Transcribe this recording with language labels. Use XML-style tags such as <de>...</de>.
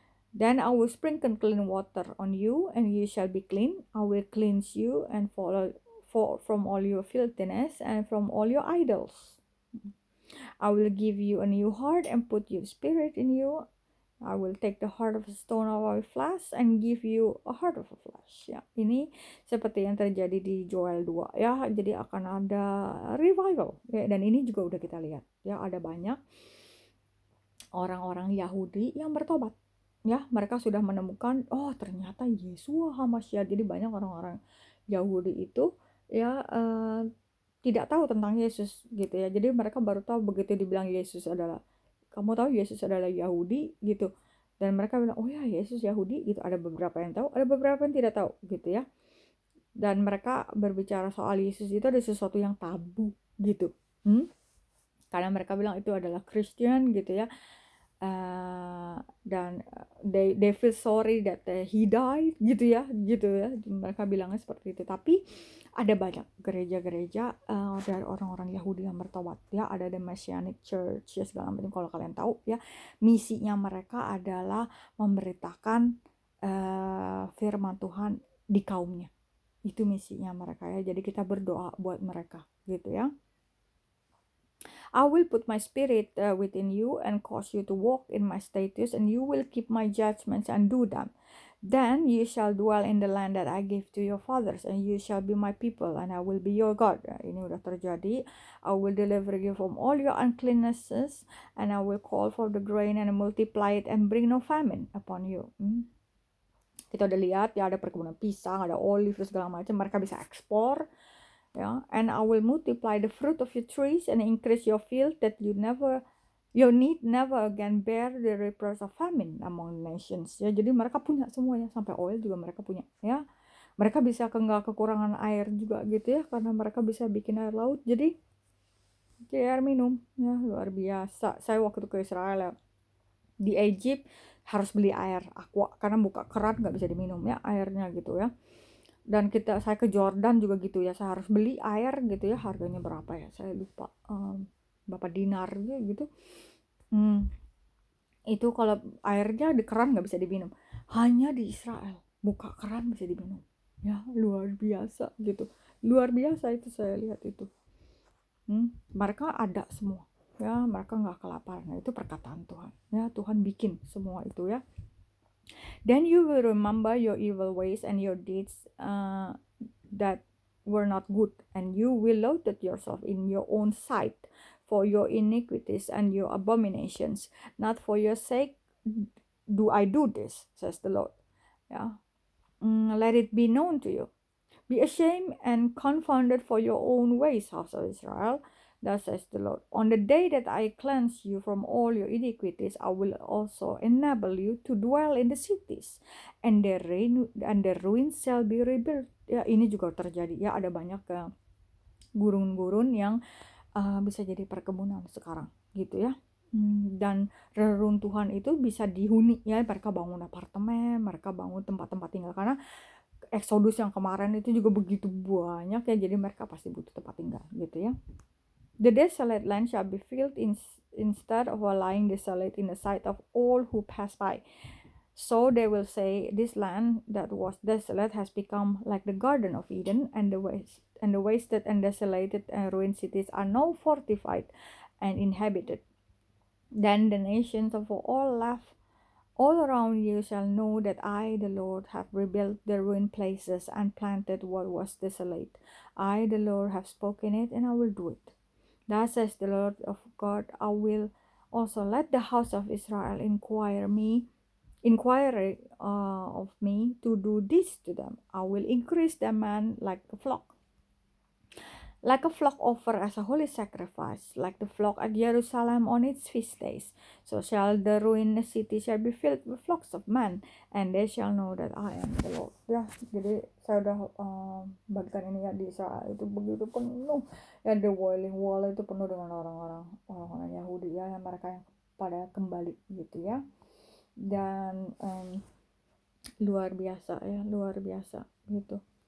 <en>Then I will sprinkle clean water on you, and you shall be clean. I will cleanse you and from all your filthiness and from all your idols. I will give you a new heart and put your spirit in you. I will take the heart of a stone out of flesh and give you a heart of a flesh.</en> <id>Ya, ini seperti yang terjadi di Joel 2 ya. Jadi akan ada revival ya, dan ini juga udah kita lihat ya, ada banyak orang-orang Yahudi yang bertobat ya. Mereka sudah menemukan, oh ternyata Yesus HaMasyiah. Jadi banyak orang-orang Yahudi itu ya tidak tahu tentang Yesus gitu ya. Jadi mereka baru tahu begitu dibilang Yesus adalah, kamu tahu Yesus adalah Yahudi gitu, dan mereka bilang, oh ya Yesus Yahudi gitu. Ada beberapa yang tahu, ada beberapa yang tidak tahu gitu ya. Dan mereka berbicara soal Yesus itu ada sesuatu yang tabu gitu, karena mereka bilang itu adalah Christian gitu ya. Dan</id> <en>they feel sorry that he died</en> <id>gitu ya, gitu ya. Mereka bilangnya seperti itu. Tapi ada banyak gereja-gereja dari orang-orang Yahudi yang bertobat ya. Ada the Messianic Church ya, segala macam. Kalau kalian tahu ya, misinya mereka adalah memberitakan firman Tuhan di kaumnya. Itu misinya mereka ya. Jadi kita berdoa buat mereka gitu ya.</id> <en>I will put my spirit within you and cause you to walk in my statutes, and you will keep my judgments and do them. Then you shall dwell in the land that I gave to your fathers, and you shall be my people, and I will be your God.</en> <id>Ini sudah terjadi.</id> <en>I will deliver you from all your uncleannesses, and I will call for the grain and multiply it and bring no famine upon you.</en> <id>Kita udah lihat ya, ada perkebunan pisang, ada olive segala macam, mereka bisa ekspor.</id> <en>Ya, and I will multiply the fruit of your trees and increase your field, that you need never again bear the reproach of famine among nations.</en> <id>Ya, jadi mereka punya semuanya, sampai oil juga mereka punya. Ya, mereka bisa nggak kekurangan air juga gitu ya, karena mereka bisa bikin air laut. Jadi, air minum, ya luar biasa. Saya waktu ke Israel ya, di Egypt harus beli air aqua, karena buka keran nggak bisa diminum ya airnya gitu ya. Dan saya ke Jordan juga gitu ya, saya harus beli air gitu ya, harganya berapa ya, saya lupa, berapa dinar gitu. Itu kalau airnya di keran nggak bisa diminum, hanya di Israel buka keran bisa diminum ya, luar biasa gitu, luar biasa itu saya lihat itu. Mereka ada semua ya, mereka nggak kelaparan. Nah, itu perkataan Tuhan ya, Tuhan bikin semua itu ya.</id> <en>Then you will remember your evil ways and your deeds that were not good, and you will loathe yourself in your own sight for your iniquities and your abominations. Not for your sake do I do this, says the Lord. Yeah. Let it be known to you. Be ashamed and confounded for your own ways, house of Israel. Thus says the Lord, on the day that I cleanse you from all your iniquities, I will also enable you to dwell in the cities, and the ruins shall be rebuilt.</en> <id>Ya, ini juga terjadi. Ya, ada banyak gurun-gurun yang bisa jadi perkebunan sekarang, gitu ya. Dan reruntuhan itu bisa dihuni. Ya, mereka bangun apartemen, mereka bangun tempat-tempat tinggal, karena Exodus yang kemarin itu juga begitu banyak ya. Jadi mereka pasti butuh tempat tinggal, gitu ya.</id> <en>The desolate land shall be filled instead of lying desolate in the sight of all who pass by. So they will say, this land that was desolate has become like the Garden of Eden, and the wasted and desolated and ruined cities are now fortified and inhabited. Then the nations of all left all around you shall know that I, the Lord, have rebuilt the ruined places and planted what was desolate. I, the Lord, have spoken it, and I will do it. Thus says the Lord of God, I will also let the house of Israel inquire of me to do this to them. I will increase their men like a flock offered as a holy sacrifice, like the flock at Jerusalem on its feast days. So shall the ruined city shall be filled with flocks of men, and they shall know that I am the Lord.</en> <id>Ya, jadi saya udah bagikan ini ya, di Israel itu begitu penuh ya, the Wailing Wall itu penuh dengan orang-orang Yahudi ya, yang mereka yang pada kembali gitu ya. Dan luar biasa gitu.</id>